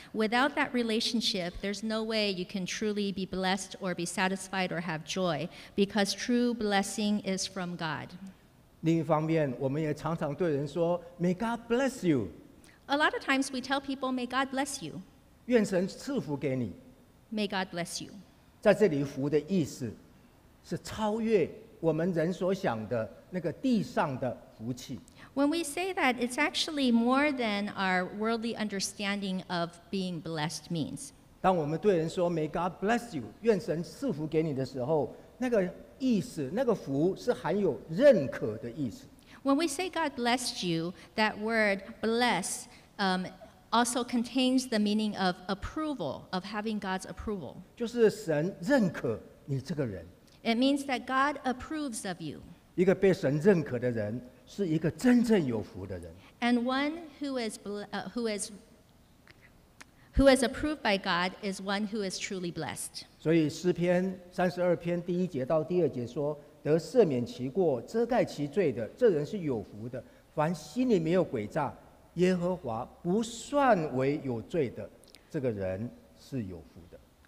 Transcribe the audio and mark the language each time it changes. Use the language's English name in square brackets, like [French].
[English] Without that relationship, there's no way you can truly be blessed or be satisfied or have joy, because true blessing is from God. [Chinese] 另一方面，我们也常常对人说, [English] "May God bless you." A lot of times we tell people, "May God bless you." [Chinese] 愿神赐福给你。 [English] May God bless you. [Chinese] 在这里福的意思是超越我们人所想的那个地上的福气。 [English] When we say that, it's actually more than our worldly understanding of being blessed means. [Chinese] 当我们对人说, [English] "May God bless you," [Chinese] 愿神赐福给你的时候, 那个意思, 那个福是含有认可的意思。 [English] When we say God bless you, that word bless also contains the meaning of approval, of having God's approval. [Chinese] 就是神认可你这个人。 [English] It means that God approves of you. [Chinese] 一个被神认可的人, 是一个真正有福的人。 [English] And one who is approved by God is one who is truly blessed. [Chinese] 所以诗篇32篇第一节到第二节说，得赦免其过、遮盖其罪的，这人是有福的。凡心里没有诡诈，耶和华不算为有罪的，这个人是有福的。